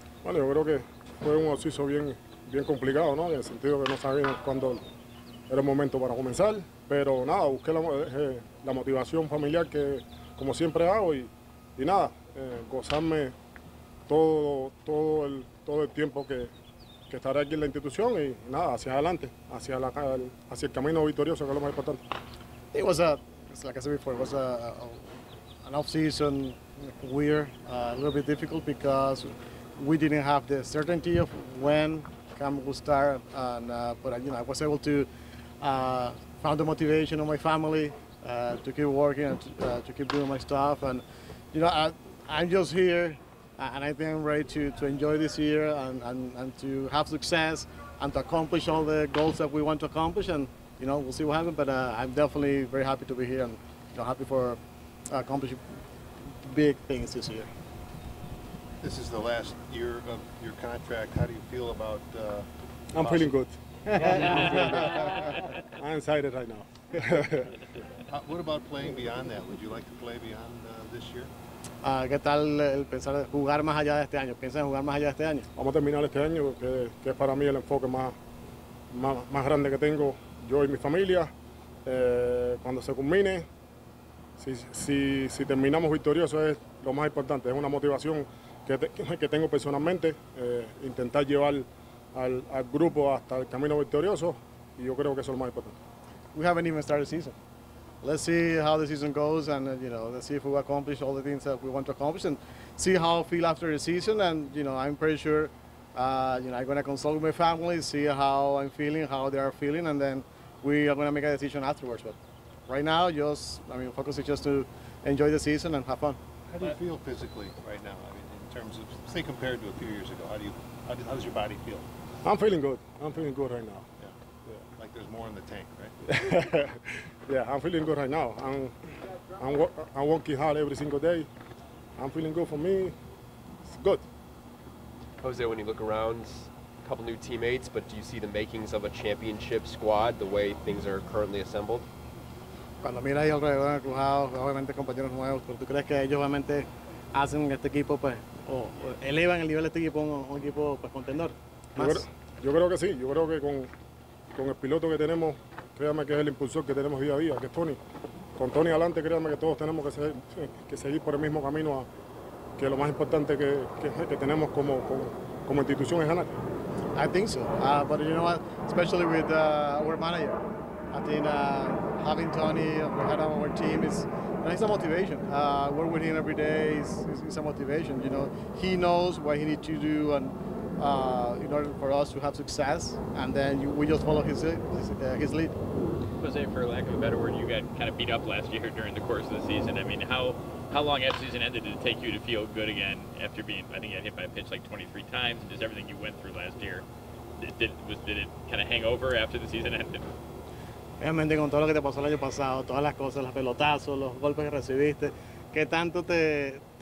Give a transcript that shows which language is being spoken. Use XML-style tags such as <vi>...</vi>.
<es>Bueno, yo creo que fue un proceso bien complicado, ¿no? En el sentido que no sabíamos cuándo era el momento para comenzar, pero nada, busqué la motivación familiar que como siempre hago y nada, gozarme todo el tiempo que estaré aquí en la institución y nada, hacia adelante, hacia el camino victorioso, que es lo más importante.</es> <en>It was a, like I said before, it was an off-season weird, a little bit difficult because we didn't have the certainty of when camp will start, and but you know, I was able to found the motivation of my family to keep working and to keep doing my stuff, and you know, I'm just here, and I think I'm ready to enjoy this year and to have success and to accomplish all the goals that we want to accomplish, and you know, we'll see what happens, but I'm definitely very happy to be here and you know, happy for accomplishing big things this year. This is the last year of your contract. How do you feel about I'm feeling good. I'm excited right now. What about playing beyond that? Would you like to play beyond this year?</en> <es>¿Qué tal el pensar jugar más allá de este año? ¿Piensas en jugar más allá de este año? Vamos a terminar este año, que es para mí el enfoque más grande que tengo yo y mi familia. Cuando se culmine, si terminamos victorioso, es lo más importante, es una motivación que tengo personalmente, intentar llevar al grupo hasta el camino victorioso, y yo creo que eso es lo más importante.</es> <en>We haven't even started the season. Let's see how the season goes, and you know, let's see if we accomplish all the things that we want to accomplish, and see how I feel after the season, and you know, I'm pretty sure, you know, I'm going to consult with my family, see how I'm feeling, how they are feeling, and then we are going to make a decision afterwards, but right now, focus is just to enjoy the season and have fun. How do you feel physically right now? I mean, terms of, say, compared to a few years ago, how does your body feel? I'm feeling good right now. Yeah. Like there's more in the tank, right? Yeah, I'm feeling good right now. I'm working hard every single day. I'm feeling good. For me, it's good. Jose, when you look around, a couple new teammates, but do you see the makings of a championship squad the way things are currently assembled?</en> <es>Cuando mira ahí alrededor del clubhouse, obviamente compañeros nuevos, pero ¿tú crees que ellos obviamente hacen este equipo pues elevan el nivel de este equipo un equipo pues contendor? Yo creo que con el piloto que tenemos, créame que es el impulsor que tenemos día a día, que es Tony. Con Tony adelante, créame que todos tenemos que seguir por el mismo camino, que lo más importante que tenemos como institución es ganar.</es> <en>I think so, but you know what, especially with our manager, I think having Tony head on our team is, and it's a motivation. Work with him every day is a motivation. You know, he knows what he needs to do, and in order for us to have success, and then we just follow his lead. Jose, for lack of a better word, you got kind of beat up last year during the course of the season. I mean, how long after the season ended did it take you to feel good again after being, I think, you got hit by a pitch like 23 times, and just everything you went through last year? Did it kind of hang over after the season ended?</en> <es>Realmente con todo lo que te pasó el año pasado, todas las cosas, los pelotazos, los golpes que recibiste, ¿qué tanto te</es>